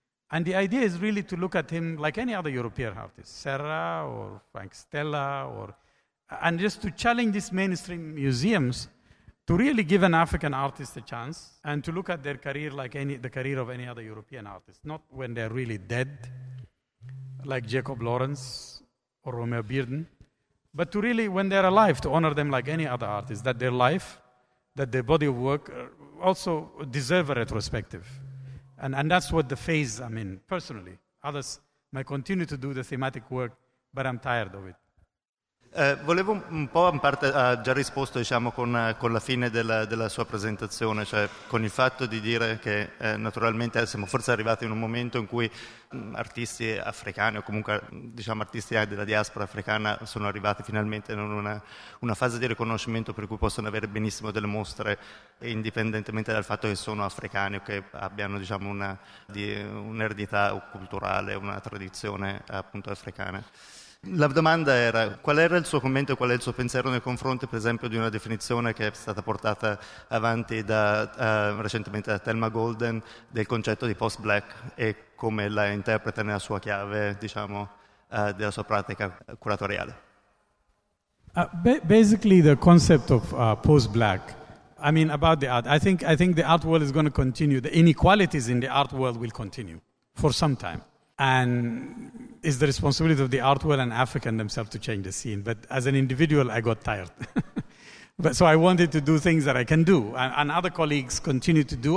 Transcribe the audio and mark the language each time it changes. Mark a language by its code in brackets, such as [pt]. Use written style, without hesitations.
[en] And the idea is really to look at him like any other European artist, Serra or Frank Stella, and just to challenge these mainstream museums to really give an African artist a chance and to look at their career like the career of any other European artist, not when they're really dead, like Jacob Lawrence or Romeo Bearden, but to really, when they're alive, to honor them like any other artist, that their life, that their body of work also deserve a retrospective. And that's what the phase I'm in, personally. Others may continue to do the thematic work, but I'm tired of it. [it] Volevo un po', in parte ha già risposto, diciamo, con la fine della sua presentazione, cioè con il fatto di dire che naturalmente siamo forse arrivati in un momento in cui artisti africani o comunque, diciamo, artisti della diaspora africana sono arrivati finalmente in una fase di riconoscimento per cui possono avere benissimo delle mostre, indipendentemente dal fatto che sono africani o che abbiano, diciamo, un'eredità culturale, una tradizione appunto africana. La domanda era: qual era il suo commento, qual è il suo pensiero nei confronti, per esempio, di una definizione che è stata portata avanti recentemente da Thelma Golden del concetto di post-black e come la interpreta nella sua chiave, diciamo, della sua pratica curatoriale? [en] Basically, the concept of post-black, I mean, about the art, I think the art world is going to continue. The inequalities in the art world will continue for some time. And it's the responsibility of the art world and African themselves to change the scene. But as an individual, I got tired. But so I wanted to do things that I can do, and other colleagues continue to do.